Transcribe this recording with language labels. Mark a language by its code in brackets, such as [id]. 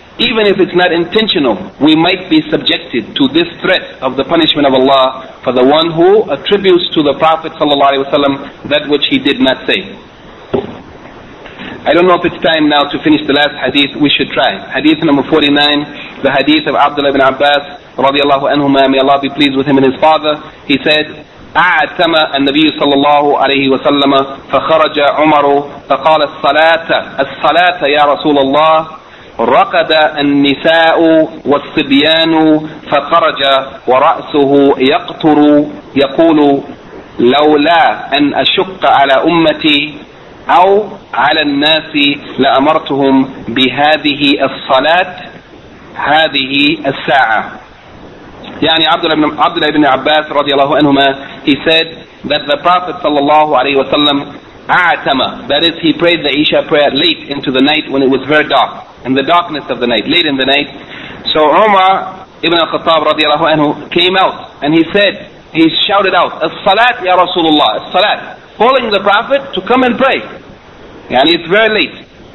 [en] Even if it's not intentional, we might be subjected to this threat of the punishment of Allah for the one who attributes to the Prophet ﷺ that which he did not say. I don't know if it's time now to finish the last hadith. We should try. Hadith number 49, the hadith of Abdullah ibn Abbas [ar] رضي الله عنهما, [en] may Allah be pleased with him and his father. [ar] He said, أعتم النبي صلى الله عليه وسلم فخرج عمر فقال الصلاة الصلاة يا رسول الله رقد النساء والصبيان فخرج ورأسه يقطر يقول لولا أن أشق على أمتي أو على الناس لأمرتهم بهذه الصلاة هذه الساعة. [en] Yani Abdullah ibn Abbas [ar] radiallahu anhuma, [en] he said that the Prophet [ar] sallallahu alayhi wa sallam [en] a'atama, that is, he prayed the Isha prayer late into the night when it was very dark, in the darkness of the night, late in the night. So Umar ibn al-Khattab radiallahu anhu came out and he said, he shouted out, [ar] As-salat ya Rasulullah, as-salat, [en] calling the Prophet to come and pray. Yani it's very late.